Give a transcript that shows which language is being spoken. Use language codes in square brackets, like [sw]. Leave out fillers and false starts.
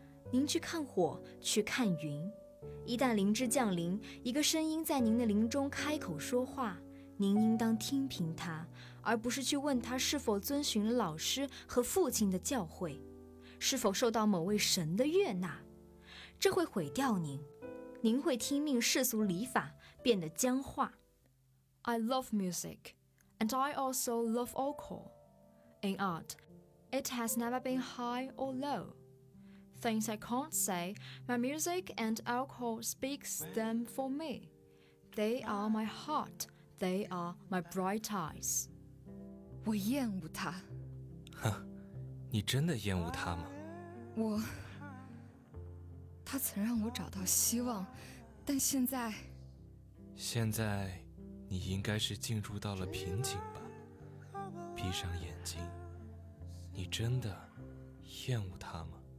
[zh] 您去看火，去看云，一旦灵芝降临，一个声音在您的灵中开口说话，您应当听凭它，而不是去问它是否遵循了老师和父亲的教诲，是否受到某位神的悦纳。这会毁掉您，您会听命世俗礼法，变得僵化。 [en] I love music, and I also love alcohol. In art, it has never been high or low. Things I can't say, my music and alcohol speaks them for me. They are my heart, they are my bright eyes. [zh] 我厌恶他。你真的厌恶他吗？我，他曾让我找到希望，但现在…… 现在，你应该是进入到了瓶颈吧？闭上眼睛，你真的厌恶他吗？